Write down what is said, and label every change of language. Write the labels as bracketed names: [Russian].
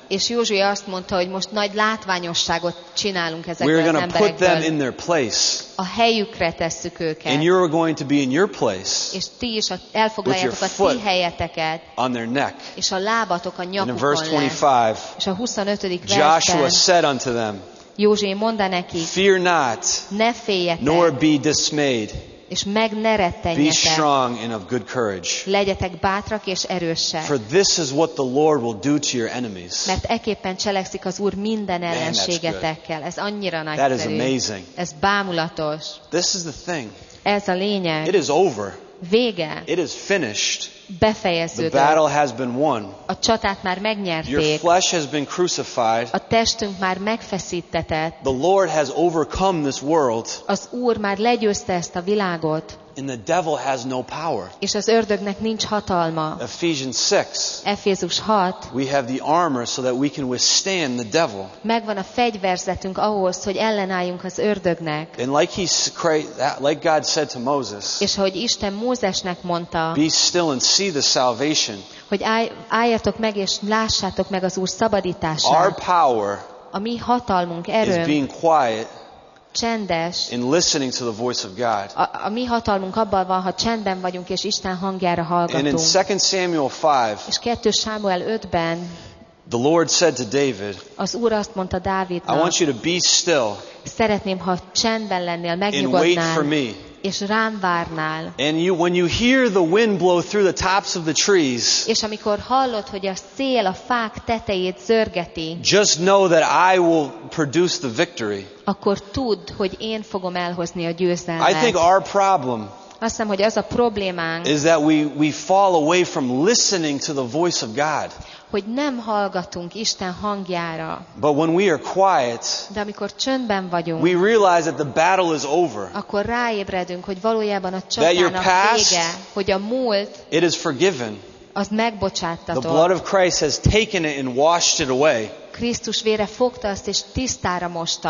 [Hungarian] És Józsué azt mondta, hogy most nagy látványosságot csinálunk ezekből az emberekből. [English] We are going to put them in their place. [Hungarian] A helyükre tesszük őket. [English] And you are going to be in your place. [Hungarian] És ti is elfoglaljátok a ti helyeteket. [English] On their neck. [Hungarian] És a lábatok a nyakukon. [English] In verse 25. [Hungarian] És a 25. [English] Joshua [Hungarian] versben, [English] said unto them. [Hungarian] Józsué mondta nekik. [English] Fear not. [Hungarian] Ne féljetek. [English] Nor be dismayed. [Hungarian] És meg ne rettenjetek. [English] Be strong and of good courage. [Hungarian] Legyetek bátrak és erősek. [English] For this is what the Lord will do to your enemies. [Hungarian] Mert eképpen cselekszik az Úr minden ellenségetekkel. Ez annyira nagy. [English] That is amazing. [Hungarian] Ez bámulatos. [English] This is the thing. [Hungarian] Ez a lényeg. [English] It is over. [Hungarian] Vége. [English] It is finished. [Hungarian] befejeződött. [English] The battle has been won. [Hungarian] A csatát már megnyerték. [English] Your flesh has been crucified. [Hungarian] A testünk már megfeszítetett. [English] The Lord has overcome this world. [Hungarian] Az Úr már legyőzte ezt a világot. [English] And the devil has no power. [Hungarian] És az ördögnek nincs hatalma. [English] Ephesians 6. [Hungarian] Efézus 6. [English] We have the armor so that we can withstand the devil. [Hungarian] Megvan a fegyverzetünk ahhoz, hogy ellenálljunk az ördögnek. [English] And like God said to Moses. [Hungarian] És ahogy Isten Mózesnek mondta. [English] Be still and see the salvation. [Hungarian] Hogy álljatok meg és lássátok meg az Úr szabadítását. [English] Our power. [Hungarian] A mi hatalmunk erő. [English] Is being quiet. [Hungarian] Csendes. [English] In listening to the voice of God. [Hungarian] A mi hatalmunk abban van, ha csendben vagyunk és Isten hangjára hallgatunk. [English] And in 2 Samuel 5. [Hungarian] És 2 Sámuel 5-ben. [English] The Lord said to David. [Hungarian] Az Úr azt mondta Dávidnak. [English] I want you to be still. [Hungarian] Szeretném, ha csendben lennél, megnyugodnál. [English] And wait for me. [Hungarian] És rám várnál. [English] And you, when you hear the wind blow through the tops of the trees. [Hungarian] És amikor hallod, hogy a szél a fák tetejét zörgeti. [English] Just know that I will produce the victory. [Hungarian] Akkor tudd, hogy én fogom elhozni a győzelmet. [English] I think our problem. [Hungarian] Azt hiszem, hogy az a problémánk. [English] Is that we fall away from listening to the voice of God. [Hungarian] Hogy nem hallgatunk Isten hangjára. [English] But when we are quiet, [Hungarian] de amikor csöndben vagyunk, [English] we realize that the battle is over. [Hungarian] Akkor ráébredünk, hogy valójában a csatának vége, hogy a múlt, [English] it is forgiven. [Hungarian] Az megbocsátatott. [English] The blood of Christ has taken it and washed it away. [Hungarian] Krisztus vére fogta azt és tisztára mosta.